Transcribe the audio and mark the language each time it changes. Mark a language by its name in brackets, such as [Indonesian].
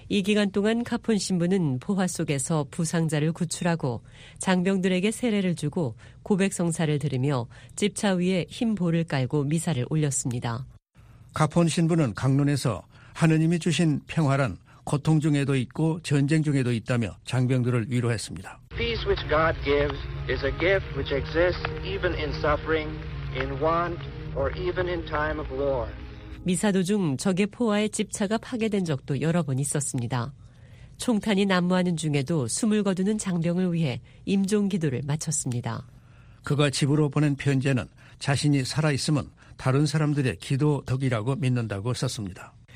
[Korean] 이 기간 동안 카폰 신부는 포화 속에서 부상자를 구출하고 장병들에게 세례를 주고 고백성사를 들으며 집차 위에 흰 보를 깔고 미사를 올렸습니다. 카폰 신부는 강론에서 하느님이 주신 평화란 고통 중에도 있고 전쟁 중에도 있다며 장병들을 위로했습니다. [English] Peace which God gives is a gift which exists even in suffering, in want, or even in time of war. [Korean] 미사 도중 적의 포화에 집차가 파괴된 적도 여러 번 있었습니다. 총탄이 난무하는 중에도 숨을 거두는 장병을 위해 임종 기도를 마쳤습니다. 그가 집으로 보낸 편지에는 자신이 살아있으면 다른 사람들의 기도 덕이라고 믿는다고 썼습니다.